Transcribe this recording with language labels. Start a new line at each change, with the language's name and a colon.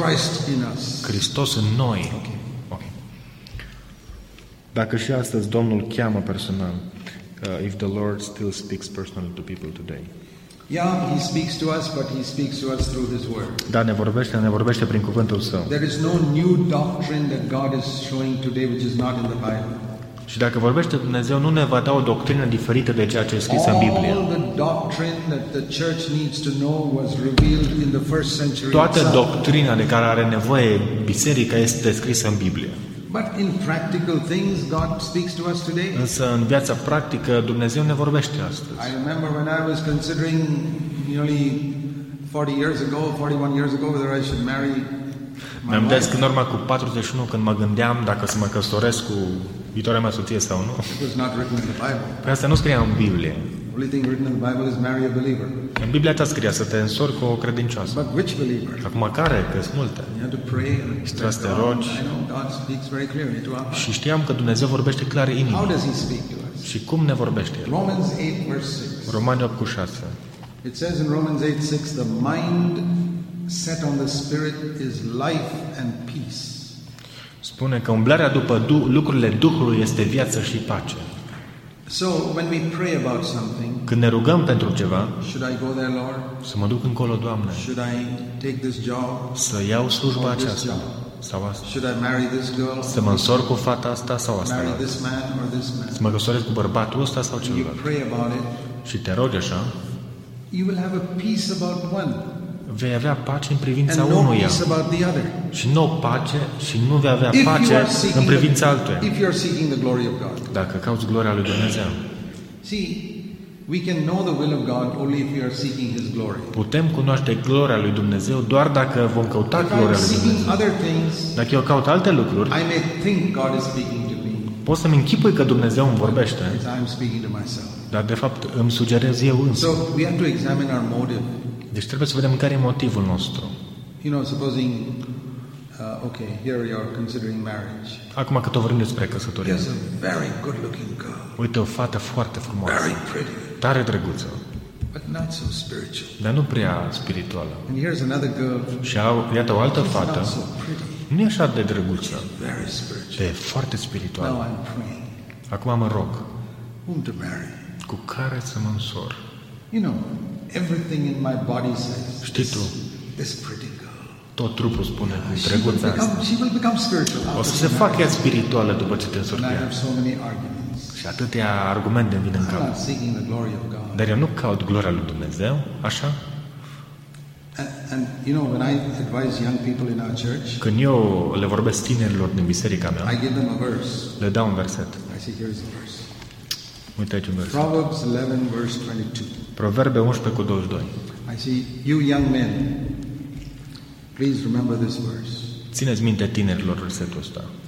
English: Christ in us.
Romanian: Hristos în noi.
English: Okay.
Romanian: Dacă și astăzi Domnul cheamă personal,
English: if the Lord still speaks personally to people today. Yeah, he speaks to us, but he speaks to us through his word.
Romanian: Da, ne vorbește prin cuvântul său.
English: There is no new doctrine that God is showing today which is not in the Bible.
Romanian: Și dacă vorbește Dumnezeu, nu ne va da o doctrină diferită de ceea ce e scris în Biblie.
English: All the doctrine that the church needs to know was revealed in the first century.
Romanian: Toată doctrina de care are nevoie biserica este descrisă în Biblie.
English: But in practical things God speaks to us today.
Romanian: Însă în viața practică Dumnezeu ne vorbește astăzi.
English: I remember when I was considering nearly 40 years ago, 41 years ago whether I should marry.
Romanian: Mi-am dat în urmă cu 41 când mă gândeam dacă să mă căsătoresc cu viitoarea mea soție sau nu.
English: It was not written in the Bible.
Romanian: Pe asta nu scria în Biblie.
English: The only thing written in the Bible is marry a believer.
Romanian: În Biblia ta scria să te însori cu o credincioasă.
English: But which believer?
Romanian: Acum care? Că sunt multe.
English: You have to pray and trust the Lord. I know God speaks very clearly to us.
Romanian: Și știam că Dumnezeu vorbește clar inima.
English: How does he speak to us?
Romanian: Și cum ne vorbește El?
English: Romans 8 verse 6.
Romanian: Romani 8 cu 6.
English: It says in Romans 8 6, the mind set on the Spirit is life and peace.
Romanian: Spune că umblarea după lucrurile Duhului este viață și pace.
English: So when we pray about something,
Romanian: când ne rugăm pentru ceva,
English: should I go there, Lord?
Romanian: Să mă duc încolo, Doamne.
English: Should I take this job?
Romanian: Să iau slujba aceasta sau asta.
English: Should I marry this girl?
Romanian: Să mă însor cu fata asta sau asta.
English: Marry this man or this man?
Romanian: Să mă căsătoresc cu bărbatul ăsta sau celălalt.
English: You pray about it.
Romanian: Și te rogi așa.
English: You will have a peace about one.
Romanian: Vei avea pace în privința unuia. Și nu pace și nu vei avea pace în privința altuia.
English: If you are seeking the glory of God.
Romanian: Dacă cauți gloria lui Dumnezeu.
English: See, we can know the will of God only if we are seeking his glory.
Romanian: Putem cunoaște gloria lui Dumnezeu doar dacă vom căuta gloria lui Dumnezeu. Dacă eu caut alte lucruri,
English: I may think God is speaking to me.
Romanian: Pot să-mi închipui că Dumnezeu îmi vorbește.
English: I'm speaking to myself.
Romanian: Dar de fapt îmi sugerez eu însumi.
English: So we have to examine our motive.
Romanian: Deci trebuie să vedem care e motivul nostru.
English: You know, supposing okay, here you are considering marriage.
Romanian: Acum că tot vorbim despre căsătorie.
English: Yes, a very good-looking girl.
Romanian: Uite o fată foarte frumoasă.
English: Very pretty.
Romanian: Tare drăguță.
English: But not so spiritual.
Romanian: Dar nu prea spirituală.
English: And here's another girl.
Romanian: Și iată o altă fată.
English: Not so pretty.
Romanian: Nu e așa de drăguță.
English: Very spiritual.
Romanian: E foarte spirituală.
English: Now I'm praying.
Romanian: Acum mă rog.
English: Whom to marry?
Romanian: Cu care să mă însor?
English: You know, everything in my body says this, this pretty girl.
Romanian: Tot trupul spune cu drăguța asta.
English: She will become spiritual.
Romanian: O să se facă ea spirituală după ce te însori.
English: And I have so many arguments.
Romanian: Și atâtea argumente îmi vin în cap. Dar eu nu caut gloria lui Dumnezeu, așa?
English: And you know, when I advise young people in our church,
Romanian: când eu le vorbesc tinerilor din biserica mea,
English: I give them a verse.
Romanian: Le dau un verset.
English: I say, here is a verse.
Romanian: Uite aici un verset.
English: Proverbs 11 verse 22.
Romanian: Proverbe 11 cu 22.
English: I see you young men. Please remember this verse.
Romanian: Țineți minte tinerilor versetul ăsta.